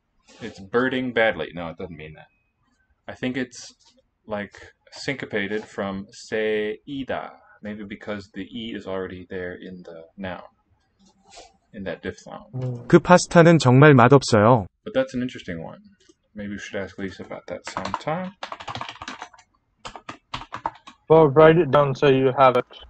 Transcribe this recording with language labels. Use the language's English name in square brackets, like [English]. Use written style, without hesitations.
[English] Okay. It's birding badly. No, it doesn't mean that. I think it's like syncopated from se-ida. Maybe because the E is already there in the noun. In that diphthong. [Korean] 그 파스타는 정말 맛없어요. [English] But that's an interesting one. Maybe we should ask Lisa about that sometime. Well, write it down so you have it.